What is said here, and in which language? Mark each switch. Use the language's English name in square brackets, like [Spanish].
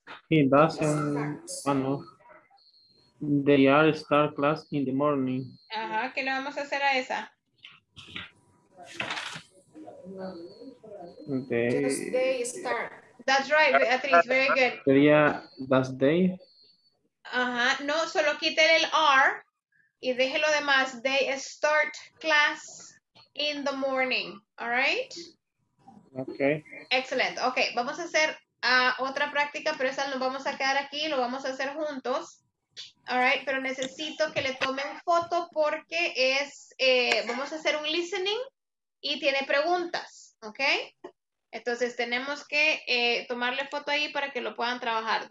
[English] He doesn't, they are start class in the morning. [Spanish] Ajá, ¿qué le vamos a hacer a esa? [English] They start. That's right, Beatriz, that very good. Sería, does they? [Spanish] Ajá, no, solo quítale el R y deje lo demás. [English] They start class in the morning, all right? Okay. Excellent, okay. [Spanish] Vamos a hacer otra práctica, pero esa nos vamos a quedar aquí, lo vamos a hacer juntos, all right? Pero necesito que le tomen foto porque es, vamos a hacer un listening y tiene preguntas, okay? Entonces tenemos que tomarle foto ahí para que lo puedan trabajar.